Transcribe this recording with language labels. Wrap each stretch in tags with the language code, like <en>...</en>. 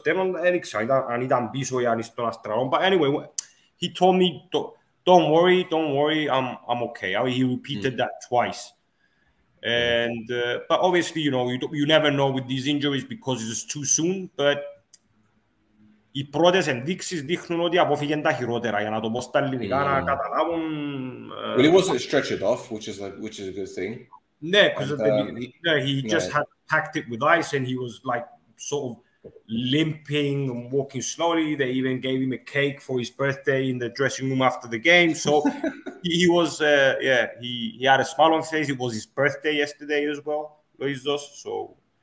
<en>But anyway, he told me, don't worry, I'm okay. I mean, he repeated that twice. And but obviously, you know, you never know with these injuries because it's too soon. But</en> <el>οι πρώτες ενδείξεις δείχνουν ότι αποφύγει τα χειρότερα για να το πω στα ελληνικά να καταλάβουν.</el> <en>Well, it wasn't stretched off, which is a good thing. Yeah, because had packed it with ice and he was like sort of limping and walking slowly. They even gave him a cake for his birthday in the dressing room after the game. So he was, he had a smile on his face. It was his birthday yesterday as well, Luisos. So</en>